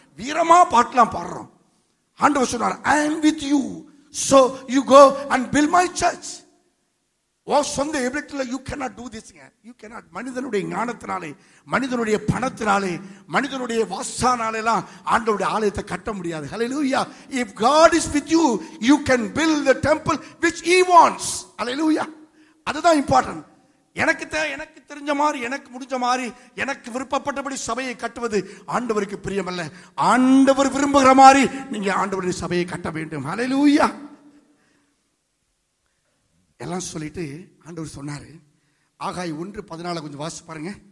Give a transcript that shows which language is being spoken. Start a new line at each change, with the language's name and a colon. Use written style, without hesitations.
Tamil: வீரமா பாட்டெல்லாம் பாடுறோம், ஆண்டவர் சொன்னார்
English: I am with you, so you go and build my church.
Tamil: ஓ சொந்த எபிலிட்டில
English: you cannot do this, you cannot,
Tamil: மனிதனுடைய ஞானத்தினாலே, மனிதனுடைய பணத்தினாலே, மனிதனுடைய வாசானாலெல்லாம் ஆண்டவருடைய ஆலயத்தை கட்ட முடியாது, ஹல்லேலூயா.
English: If God is with you, you can build the temple which he wants, hallelujah.
Tamil: அதுதான் இம்பார்ட்டன்ட். எனக்கு எனக்கு தெரிஞ்ச மாதிரி, எனக்கு முடிஞ்ச மாதிரி, எனக்கு விருப்பப்பட்டபடி சபையை கட்டுவது ஆண்டவருக்கு பிரியமல்ல, ஆண்டவர் விரும்புகிற மாதிரி நீங்க ஆண்டவருடைய சபையை கட்ட வேண்டும், ஹல்லேலூயா. எல்லாம் சொல்லிட்டு ஆண்டவர் சொன்னாரு, ஆகாய் 1:14 கொஞ்சம் வாசி பாருங்க.